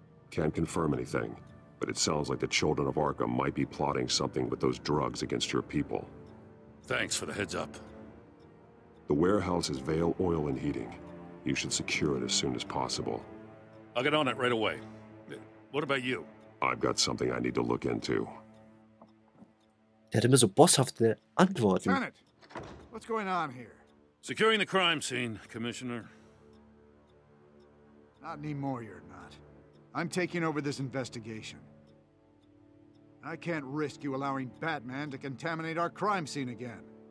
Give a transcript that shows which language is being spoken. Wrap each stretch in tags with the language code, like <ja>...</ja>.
<en>Can't confirm anything, but it sounds like the children of Arkham might be plotting something with those drugs against your people. Thanks for the heads up. The warehouse is Vale Oil and Heating. You should secure it as soon as possible. I'll get on it right away. What about you? I've got something I need to look into.</en> <de>Der hat immer so bosshafte Antworten.</de> <en>Lieutenant, what's going on here? Securing the crime scene, Commissioner. Not anymore, you're not. I'm taking over this investigation. I can't risk you allowing Batman to contaminate our crime scene again.</en>